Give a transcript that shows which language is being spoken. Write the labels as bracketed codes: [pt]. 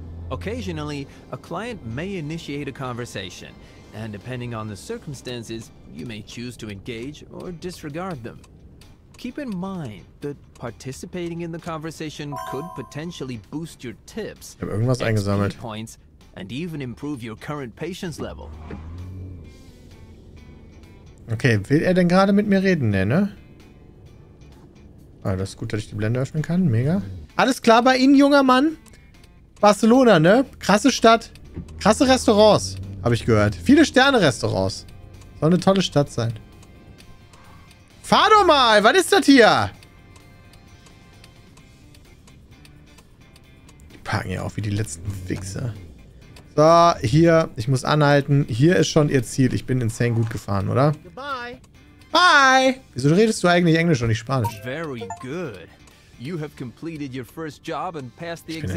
[en] Occasionally, a client may initiate a conversation, and depending on the circumstances, you may choose to engage or disregard them. Keep in mind that participating in the conversation could potentially boost your tips, XP points, and even improve your current patience level. [de] Okay, will er denn gerade mit mir reden, ne? Ah, das ist gut, dass ich die Blende öffnen kann. Mega. Alles klar bei Ihnen, junger Mann? Barcelona, ne? Krasse Stadt. Krasse Restaurants, habe ich gehört. Viele Sterne-Restaurants. Soll eine tolle Stadt sein. Fahr doch mal! Was ist das hier? Die parken ja auch wie die letzten Wichser. So, hier. Ich muss anhalten. Hier ist schon ihr Ziel. Ich bin insane gut gefahren, oder? [en] Goodbye. Bye! [de] Wieso redest du eigentlich Englisch und nicht Spanisch? [en] Very good. You have completed your first job and passed the exam.